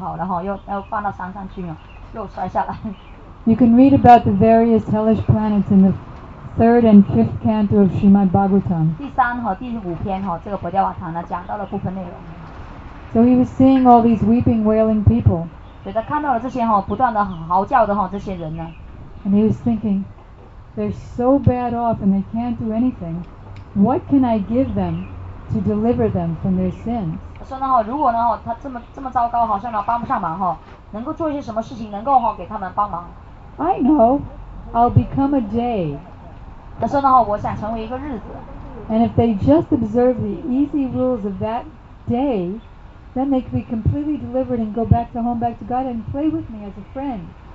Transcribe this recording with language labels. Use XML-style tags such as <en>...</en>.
<zh>有的人被那虫扔下来变成碎片又被凑好又放到山上去又摔下来</zh> <en>You can read about the various hellish planets in the third and fifth canto of Srimad Bhagavatam.</en> <zh>第三和第五篇，这个佛教瓦堂呢讲到了部分内容。</zh> <en>So he was seeing all these weeping, wailing people.</en> <zh>所以他看到了这些不断的嚎叫的这些人呢。</zh> <en>And he was thinking, they're so bad off and they can't do anything. What can I give them to deliver them from their sins?</en> <zh>说呢如果呢他这么糟糕好像帮不上忙能够做一些什么事情能够给他们帮忙。</zh> <en>I know, I'll become a day.</en> <zh>他说呢我想成为一个日子。</zh> <en>And if they just observe the easy rules of that day, then they could be completely delivered and go back to home, back to God, and play with me as a friend.</en>